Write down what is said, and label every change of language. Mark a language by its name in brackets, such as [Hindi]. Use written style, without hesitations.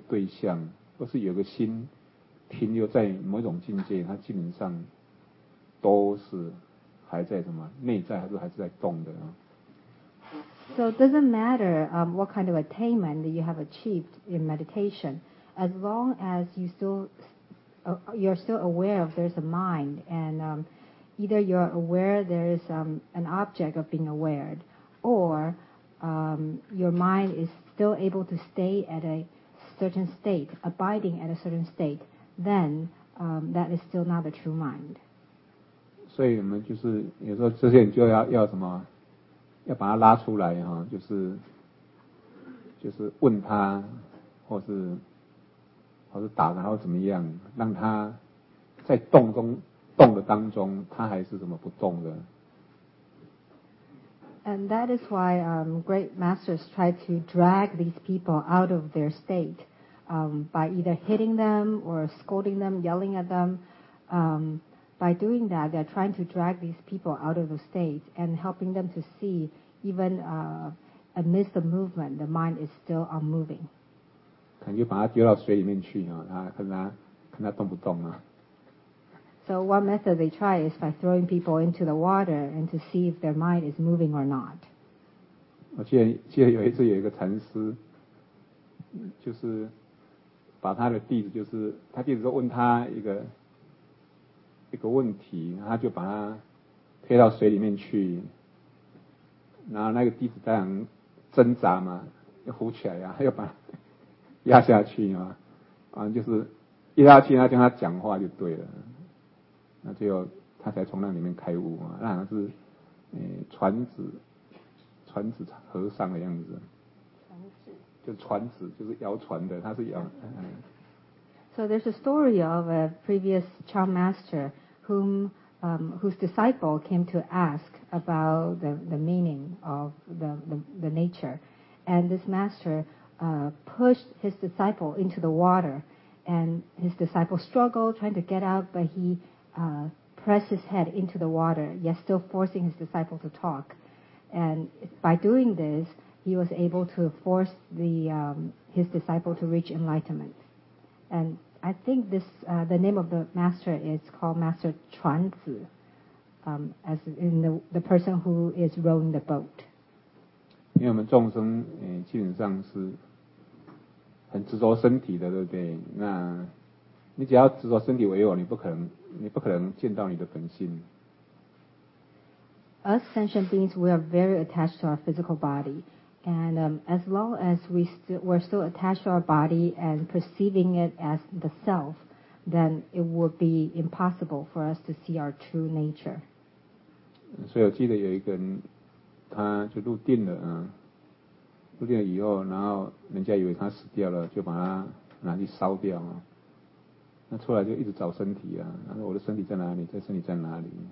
[Chinese] 所以不管你说你禅修，你修到什么程度，只要你还是有感觉有一个心啊，然后有个心感知一个对象，或是有个心。停留在某种境界，它基本上都是还在什么内在，还是在动的啊。So [English] it doesn't matter what kind of attainment that you have achieved in meditation, as long as you still you're still aware of there's a mind, and either you're aware there is an object of being aware, or your mind is still able to stay at a certain state, abiding at a certain state. Then that is still not the true mind. [Chinese] 所以我们就是有时候这些人就要什么，要把它拉出来哈，就是就是问他或是打他或怎么样，让他在动中动的当中他还是怎么不动的。 [English] And that is why great masters try to drag these people out of their state by either hitting them or scolding them, yelling at them. By doing that, they're trying to drag these people out of the state and helping them to see even amidst the movement, the mind is still unmoving. [Chinese] 可能就把他丢到水里面去，看他动不动啊。 [English] So one method they try is by throwing people into the water and to see if their mind is moving or not. [Chinese] 我记得有一次有一个禅师，就是把他的弟子，就是他弟子说问他一个问题，他就把他推到水里面去，然后那个弟子当然挣扎嘛，又浮起来呀，又把他压下去啊，就是一压下去，他跟他讲话就对了。那最后他才从那里面开悟嘛，那好像是传子和尚的样子。传子就传子就是谣传的，他是谣。 [English] So there's a story of a previous Chan master whose disciple came to ask about the meaning of the nature, and this master pushed his disciple into the water, and his disciple struggled trying to get out, but he pressed his head into the water, yet still forcing his disciple to talk. And by doing this, he was able to force his disciple to reach enlightenment. And I think this, the name of the master is called Master Chuan Zi, as in the person who is rowing the boat. Because we are [Chinese] 众生，基本上是很执着身体的，对不对？那你只要执着身体为我，你不可能见到你的本性。 [English] Us sentient beings, we are very attached to our physical body. And as long as we're still attached to our body and perceiving it as the self, then it would be impossible for us to see our true nature. [Chinese] 所以我记得有一个人，他就入定了啊，入定了以后，然后人家以为他死掉了，就把他拿去烧掉啊。那出来就一直找身体啊，他说我的身体在哪里，这身体在哪里？